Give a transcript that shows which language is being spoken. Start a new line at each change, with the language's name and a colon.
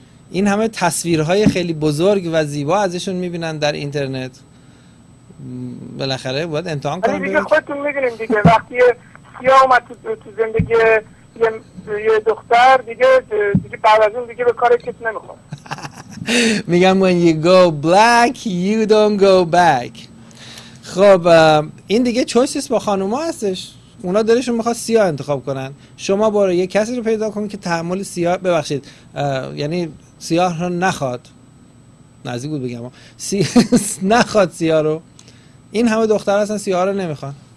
Persian: این همه تصویرهای خیلی بزرگ و زیبا ازشون میبینن در اینترنت. بالاخره باید امتحان کنن. دیگه خودتون میدونین دیگه وقتی سیاه اومد تو زندگی یه دختر دیگه بعد از اون دیگه به کار کسی نمیخواد. میگم
English: when you go black you don't go back.
Persian: خب این دیگه چویسیست با خانوما هستش، اونا دلشون میخواد سیاه انتخاب کنن. شما برو یه کسی رو پیدا کن که تحمل سیاه، ببخشید یعنی سیاه رو نخواد، نزدیک بود بگم نخواد سیاه رو. این همه دختر هستن سیاه رو نمیخوان.